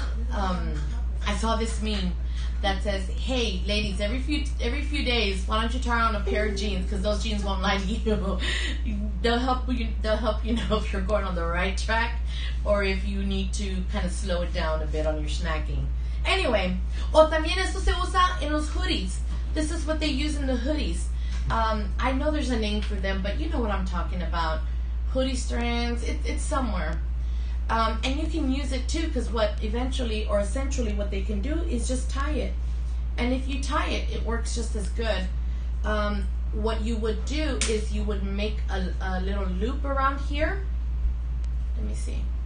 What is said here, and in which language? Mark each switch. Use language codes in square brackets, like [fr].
[en] I saw this meme that says, hey, ladies, every few days, why don't you try on a pair of jeans? Because those jeans won't lie to you. They'll help you know if you're going on the right track or if you need to kind of slow it down a bit on your snacking. [es] Anyway, o también esto se usa en los hoodies. [en] This is what they use in the hoodies. I know there's a name for them, but you know what I'm talking about. Hoodie strands, it's somewhere. And you can use it too, because essentially what they can do is just tie it. And if you tie it, it works just as good. What you would do is you would make a little loop around here. Let me see.